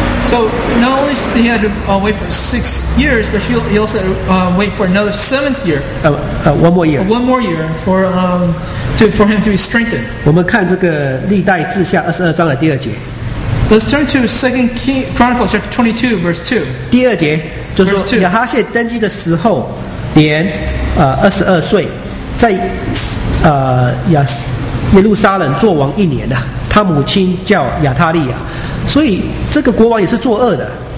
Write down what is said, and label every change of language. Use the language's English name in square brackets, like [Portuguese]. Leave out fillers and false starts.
[English] So not only did he have to wait for 6 years, but he also wait for another 7th year. One more year. One more year for him to be strengthened. [Chinese] 我们看这个历代志下22章的第二节。 [English] Let's turn to Second Chronicles chapter 22, verse 2. [Chinese] 第二节就是说亚哈谢登基的时候，年22岁，在耶路撒冷做王一年呐、啊。他母亲叫亚他利亚，所以这个国王也是作恶的。